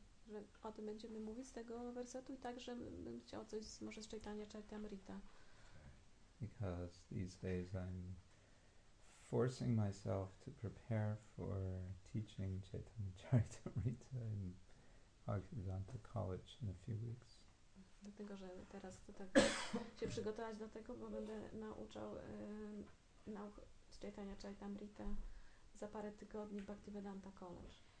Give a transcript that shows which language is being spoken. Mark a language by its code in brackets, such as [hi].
[pl] Że o tym będziemy mówić z tego wersetu i także bym chciał coś może z Chaitanya Charitamrita. [en] Because these days I'm forcing myself to prepare for teaching Chaitanya Charitamrita in Bhaktivedanta College in a few weeks. [pl] Dlatego, że teraz chcę tak się przygotować do tego, bo będę nauczał nauk Chaitanya Charitamrita za parę tygodni w Bhaktivedanta College.